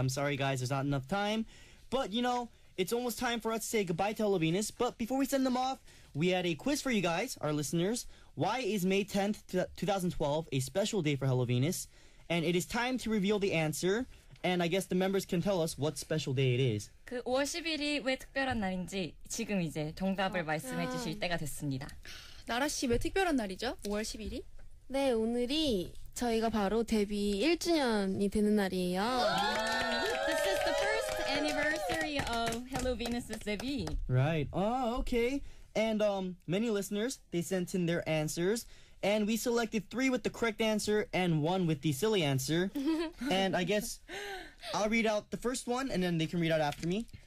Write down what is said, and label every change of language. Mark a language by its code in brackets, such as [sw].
[en] I'm sorry, guys, there's not enough time. But, you know, it's almost time for us to say goodbye to Hello Venus. But before we send them off, we had a quiz for you guys, our listeners. Why is May 10th, 2012 a special day for Hello Venus? And it is time to reveal the answer. And I guess the members can tell us what special day it is. [ko] 그 5월 10일이 왜 특별한 날인지 지금 이제 정답을 말씀해 주실 때가 됐습니다. 나라 씨 왜 특별한 날이죠? 5월 10일이? 네, 오늘이 저희가 바로 데뷔 1주년이 되는 날이에요. [en] This is the first anniversary of Hello Venus's debut. Right. Oh, okay. And many listeners, they sent in their answers. And we selected three with the correct answer and one with the silly answer. And I guess I'll read out the first one and then they can read out after me.